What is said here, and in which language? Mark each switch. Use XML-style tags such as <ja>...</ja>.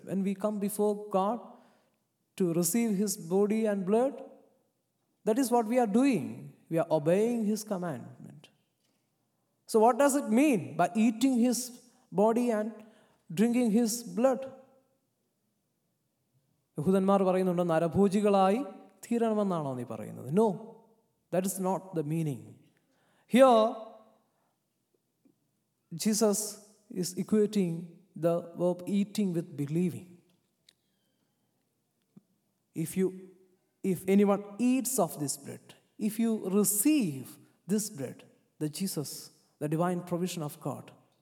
<en>When we come before God to receive his body and blood, that is what we are doing. We are obeying his commandment. So what does it mean by eating his body and drinking his blood?</en> <ml>യഹൂദന്മാർ പറയുന്നുണ്ട് നരഭോജികളായി തീരണമെന്നാണോ നീ പറയുന്നത്?</ml> <en>No, that is not the meaning. Here, Jesus is equating the verb eating with believing. If anyone eats of this bread, if you receive this bread, the Jesus, the divine provision of God.</en>